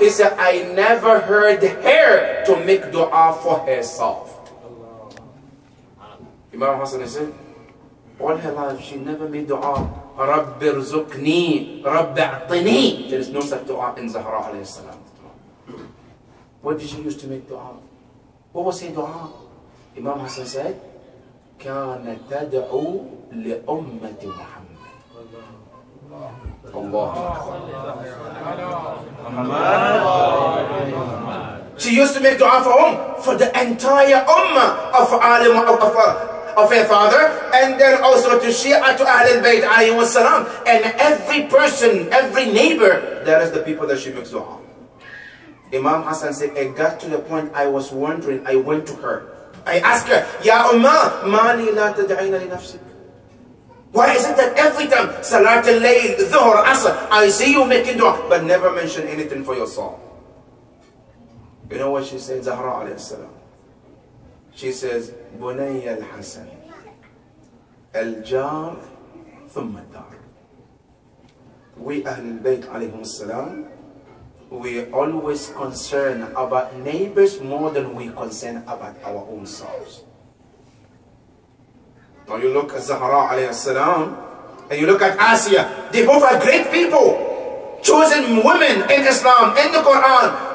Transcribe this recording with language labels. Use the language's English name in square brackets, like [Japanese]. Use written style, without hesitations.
[English] He said, I never heard her to make dua for herself. Imam Hassan said, all her life she never made dua. [Arabic] رب ارزقني رب اعطني. [English] There is no such dua in Zahra alayhi salam. What did she used to make dua? What was her dua? Imam Hassan said, [Arabic] كان تدعو لأمة محمد. الله الله محمد. [English] She used to make dua for whom? For the entire ummah of Ali Muqtafar. Of her father, and then also to Shia to Ahl al-Bayt alayhi wa salam, and every person, every neighbor, that is the people that she makes dua. Imam Hassan said, it got to the point I was wondering, I went to her. I asked her, [Arabic] Ya Ummah, ma li la tad'ayna li nafsik? [English] Why is it that every time, Salat al-Layl, Dhuhr, Asr, I see you making dua, but never mention anything for yourself. You know what she said, Zahra alayhi wa salam? She says, [Arabic] بني الحسن الجار ثم الدار. [English] We Ahl al-Bayt alayhum as-salam, we always concern about neighbors more than we concern about our own selves. Now you look at Zahra alayhi as-salam and you look at Asiya, they both are great people, chosen women in Islam, in the Quran.